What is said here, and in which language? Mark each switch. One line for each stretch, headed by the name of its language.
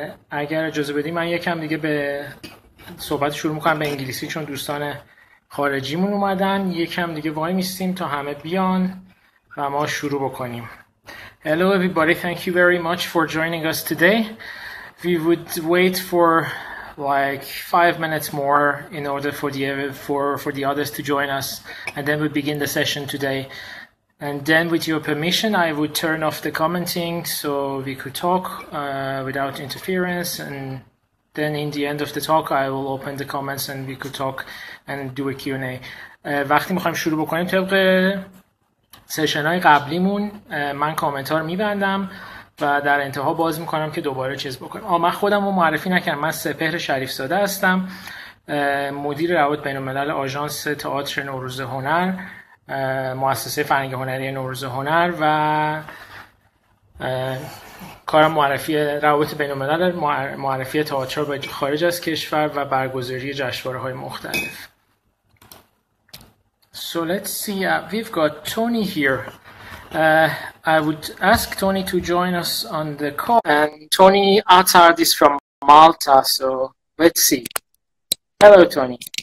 Persian: اگر اجازه بدین من یکم دیگه به صحبت شروع میکنم به انگلیسی، چون دوستان خارجیمون اومدن. یکم دیگه وای میستیم تا همه بیان و ما شروع بکنیم.
English: Hello everybody, thank you very much for joining us today. We would wait for like 5 minutes more in order for the others to join us, and then we begin the session today. And then, with your permission, I would turn off the commenting so we could talk without interference. And then, in the end of the talk, I will open the comments and we could talk and do a Q&A.
Persian: وقتی میخوایم شروع بکنیم طبق سشن‌های قبلیمون، من کامنت‌ها رو می‌بندم و در انتها باز می‌کنم که دوباره چیز بکنم. من خودم رو معرفی نکردم. من سپهر شریف‌زاده هستم، مدیر روابط بین‌الملل آژانس تئاتر نوروز هنر، مؤسسه فرهنگ هنری نوروز هنر، و کارم معرفی روابط بین الملل معرفی تئاتر به خارج از کشور و برگزاری جشنواره‌های مختلف.
English: So let's see, we've got Toni here. I would ask Toni to join us on the call. And Toni Attard is from Malta, so let's see. Hello Toni.